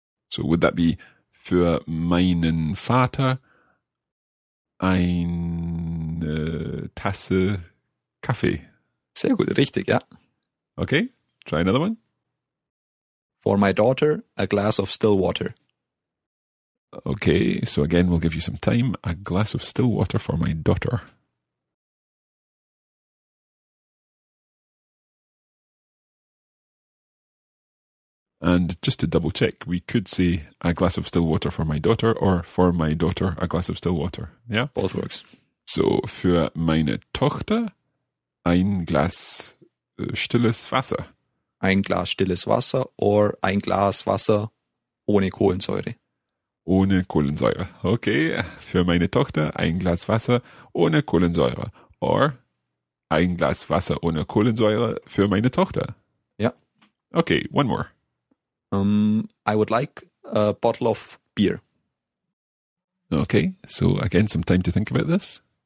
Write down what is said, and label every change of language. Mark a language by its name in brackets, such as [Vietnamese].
[German] So would that be für meinen Vater eine Tasse Kaffee. Sehr gut, richtig, ja. [English] Okay, try another one. For my daughter, a glass of still water. Okay, so again, we'll give you some time. A glass of still water for my daughter. And just to double check, we could say a glass of still water for my daughter or for my daughter, a glass of still water. Yeah? Both works. [German] So, für meine Tochter, ein Glas stilles Wasser. ein Glas stilles Wasser oder ein Glas Wasser ohne Kohlensäure. Ohne Kohlensäure. Okay, für meine Tochter ein Glas Wasser ohne Kohlensäure. Or ein Glas Wasser ohne Kohlensäure für meine Tochter. Ja. [English] Okay, one more. I would like a bottle of beer. Okay, so again, some time to think about this.